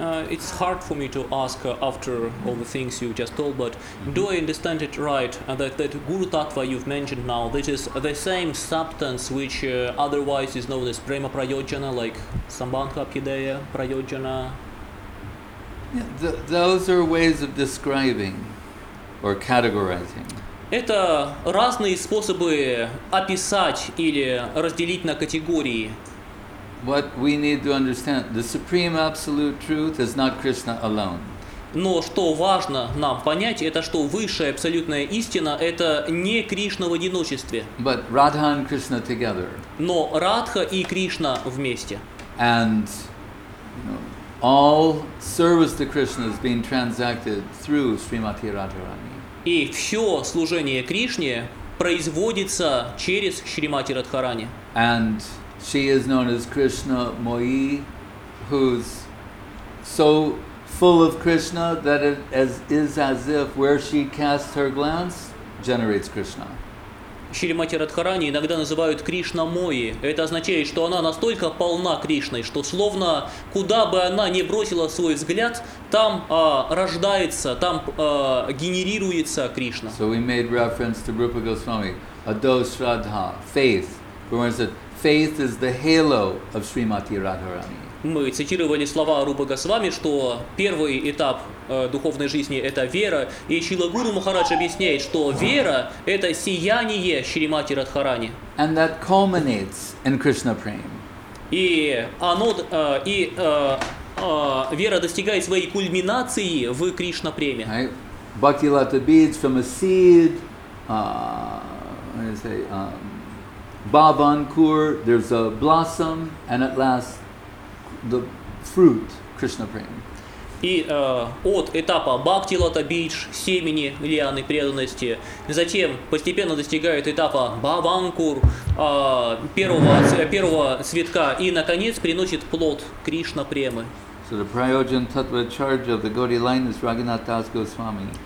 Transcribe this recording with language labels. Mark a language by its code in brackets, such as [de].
[en] It's hard for me to ask after all the things you just told, but do I understand it right that Guru Tattva you've mentioned now, this is the same substance which otherwise is known as Prema Prayojana, like Sambandha Abhideya Prayojana? Yeah, those are ways of describing or categorizing. [ru] Это разные способы описать или разделить на категории. [en] What we need to understand, the supreme absolute truth is not Krishna alone. [ru] Но что важно нам понять, это что высшая абсолютная истина это не Кришна в одиночестве. [en] But Radha and Krishna together. [ru] Но Радха и Кришна вместе. [en] And all service to Krishna is being transacted through Srimati Radharani. [ru] И все служение Кришне производится через Шримати Радхарани. [en] And She is known as Krishna Moyi, who's so full of Krishna that it is as if where she casts her glance generates Krishna. [ru] Шримати Радхарани иногда называют Кришна Мои. Это означает, что она настолько полна Кришной, что словно куда бы она ни бросила свой взгляд, там рождается, там генерируется Кришна. [en] So we made reference to Rupa Goswami, Ado Shraddha, faith. We once said, faith is the halo of Shrimati Radharani. [ru] Мы цитировали слова Рупы Госвами, что первый этап духовной жизни – это вера. И Шрила Гуру Махарадж объясняет, что вера – это сияние Шримати Радхарани. [en] And that culminates in Krishna prema. [ru] Вера достигает своей кульминации в Кришна преме. [en] Bhakti lata beads from a seed, bhavankur, there's a blossom, and at last the fruit, Krishna prema. [ru] И от этапа бхакти лота бидж, семени лианы преданности, затем постепенно достигают этапа бхавангур, первого цветка, и наконец приносит плод Кришна премы. [en] So the prayojan tattvacharya of the Gaudi line is Raghunath Das Goswami.